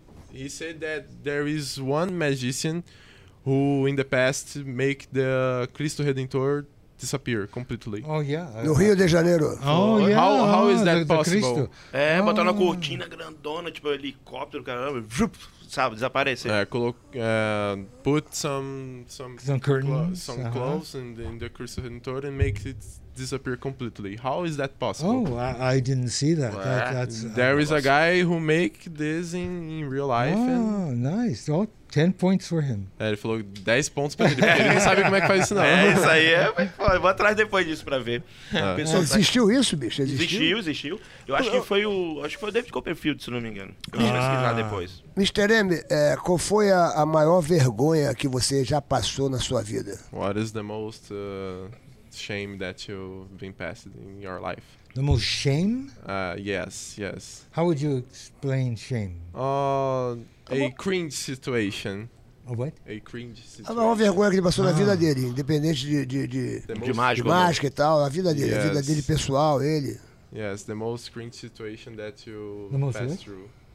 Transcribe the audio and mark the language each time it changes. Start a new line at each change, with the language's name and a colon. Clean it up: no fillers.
English: He said that there is one magician who in the past make the Cristo Redentor disappear completely. Oh, yeah.
Portuguese: No Rio de Janeiro.
English: Oh, yeah. How is that possible?
Portuguese: É, botar uma cortina grandona, tipo helicóptero, caramba. Sabe, desaparecer.
English: Put some curtains. Some clothes in the Cristo Redentor and make it... disappear completely. How is that possible? Oh, I didn't see that. That's there is a guy who make this in real life. Oh, nice. Oh, 10 points for him.
Portuguese: Ele falou 10 pontos pra ele, porque ele não sabe como é que faz isso, não. Isso aí é... Eu vou atrás depois disso pra ver. Existiu isso, bicho? Existiu? Existiu. Eu acho que foi o... Acho que foi o David Copperfield, se não me engano. Depois. Mr. M, qual foi a maior vergonha que você já passou na sua vida?
English: What is the most... shame that you've been passed in your life. The most shame? Yes. How would you explain shame? A cringe situation. A what? A cringe situation.
Portuguese: A maior vergonha que ele passou na vida dele, independente de mágico. De mágica e tal, a vida dele, a vida dele pessoal, ele.
English: Yes, the most cringe situation that you passed through.